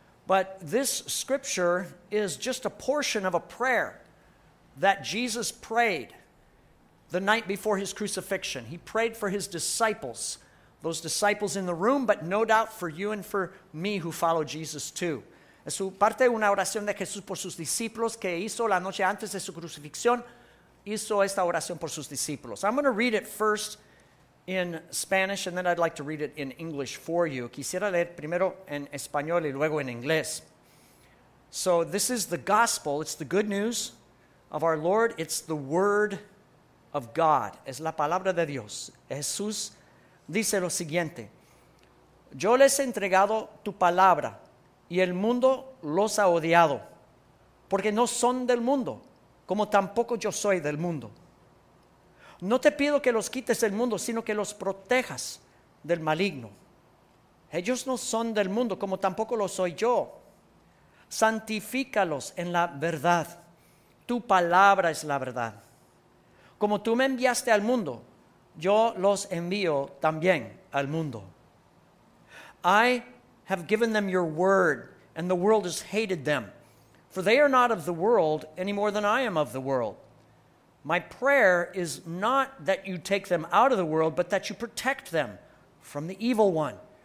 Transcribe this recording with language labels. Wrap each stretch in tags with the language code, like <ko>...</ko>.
<en>But this scripture is just a portion of a prayer that Jesus prayed the night before his crucifixion. He prayed for his disciples, those disciples in the room, but no doubt for you and for me who follow Jesus too.</en> <es>Es parte de una oración de Jesús por sus discípulos que hizo la noche antes de su crucifixión. Hizo esta oración por sus discípulos.</es> <en>I'm going to read it first in Spanish, and then I'd like to read it in English for you.</en> <es>Quisiera leer primero en español y luego en inglés.</es> <en>So this is the gospel. It's the good news of our Lord. It's the word of God.</en> <es>Es la palabra de Dios. Jesús dice lo siguiente. Yo les he entregado tu palabra, y el mundo los ha odiado, porque no son del mundo, como tampoco yo soy del mundo. No te pido que los quites del mundo, sino que los protejas del maligno. Ellos no son del mundo, como tampoco lo soy yo. Santifícalos en la verdad. Tu palabra es la verdad. Como tú me enviaste al mundo, yo los envío también al mundo.</es> <en>I have given them your word, and the world has hated them, for they are not of the world any more than I am of the world. My prayer is not that you take them out of the world, but that you protect them from the evil one.</en>